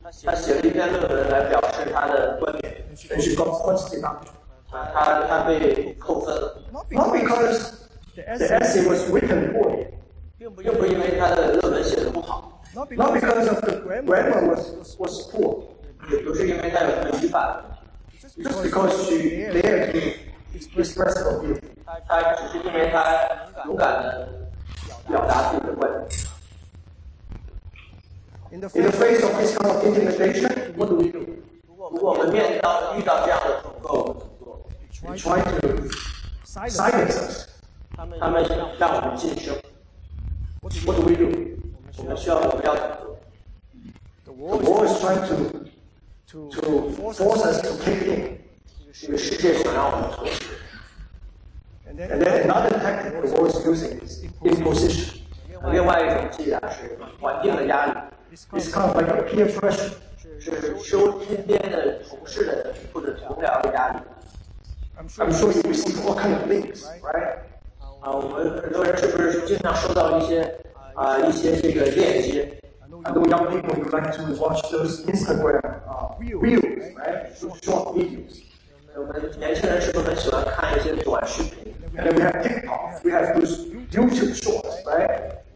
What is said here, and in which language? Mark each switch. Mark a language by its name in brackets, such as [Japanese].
[Chinese] 她写了一篇论文来表示她的观点。 [English] And she got points deducted. [Chinese] 她被扣分了。 [English] Not because the essay was written poorly. [Chinese] 并不因为她的论文写得不好。 [English] Not because of the grammar was poor. [Chinese] 也不是因为他有什么语法。 [English] Just because she dared to express her view. [Chinese] 他只是因为他勇敢的表达自己的观点。 [English] In the face of this kind of intimidation, what do we do? [Chinese] 如果我们遇到这样的恐吓，我们怎么做 [English] ？Try to silence us. [Chinese] 他们让我们噤声。 [English] What do we do? [Chinese] 我们需要怎么做 [English] ？The world is trying to force us to cave in. [Chinese] 这个世界想让我们妥协。 [English] And then another tactic the world is using is imposition. [Chinese] 另外一种伎俩是环境的压力。 [English] It's kind of like a peer pressure. [Chinese] 是受身边的同事的或者同僚的压力。 [English] I'm sure you receive all kinds of links, right? [Chinese] 我们很多人是不是经常收到一些？一些这个链接 [English] I know young people you like to watch those Instagram reels, right? Short videos. [Chinese] 我们年轻人是不是很喜欢看一些短视频 [English] And we have TikTok, we have those YouTube shorts, right?